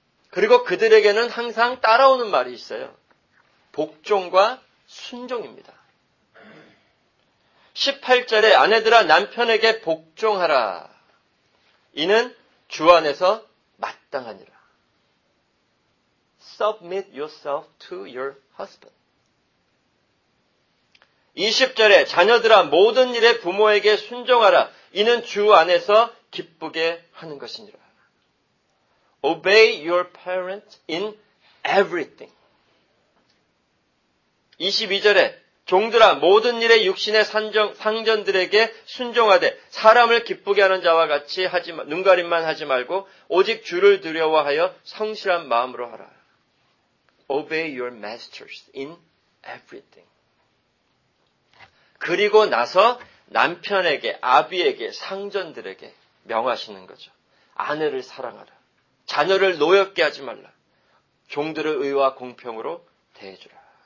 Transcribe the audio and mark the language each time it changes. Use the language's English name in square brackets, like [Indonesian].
[Korean] 그리고 그들에게는 항상 따라오는 말이 있어요. 복종과 순종입니다. 18절에 아내들아 남편에게 복종하라. 이는 주 안에서 마땅하니라. [English] Submit yourself to your husband. [Korean] 20절에 자녀들아 모든 일에 부모에게 순종하라. 이는 주 안에서 기쁘게 하는 것이니라. [English] Obey your parents in everything. [Korean] 22절에 종들아 모든 일에 육신의 상전들에게 순종하되 사람을 기쁘게 하는 자와 같이 하지 눈가림만 하지 말고 오직 주를 두려워하여 성실한 마음으로 하라. [English] Obey your masters in everything. [Korean] 그리고 나서 남편에게, 아비에게, 상전들에게 명하시는 거죠. 아내를 사랑하라. 자녀를 노엽게 하지 말라. 종들을 의와 공평으로 대해주라.